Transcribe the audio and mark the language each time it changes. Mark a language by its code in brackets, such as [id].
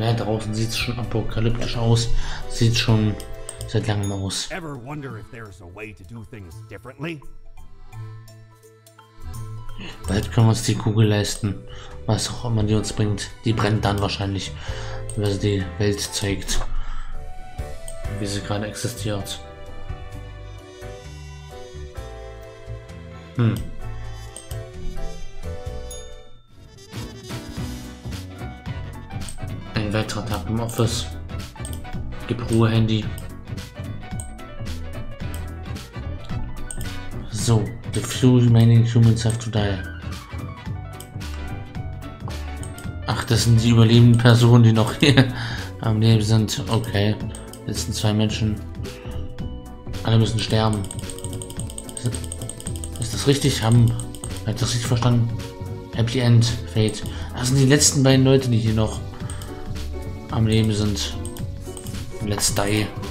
[de] Ja, draußen sieht es schon apokalyptisch aus. Sieht schon seit langem aus. [en] Ever wonder if there's a way to do things differently? [de] Bald können wir uns die Kugel leisten, was auch immer die uns bringt. Die brennt dann wahrscheinlich, wenn sie die Welt zeigt, wie sie gerade existiert. Ein weiterer Tag im Office. Gib Ruhe, Handy. So. [en] The few remaining humans have to die. [de] Ach, das sind die überlebenden Personen, die noch hier am Leben sind. Okay, das sind zwei Menschen. Alle müssen sterben. Ist das richtig? Hab ich das richtig verstanden? Happy End, Fate. Das sind die letzten beiden Leute, die hier noch am Leben sind. [en] Let's die.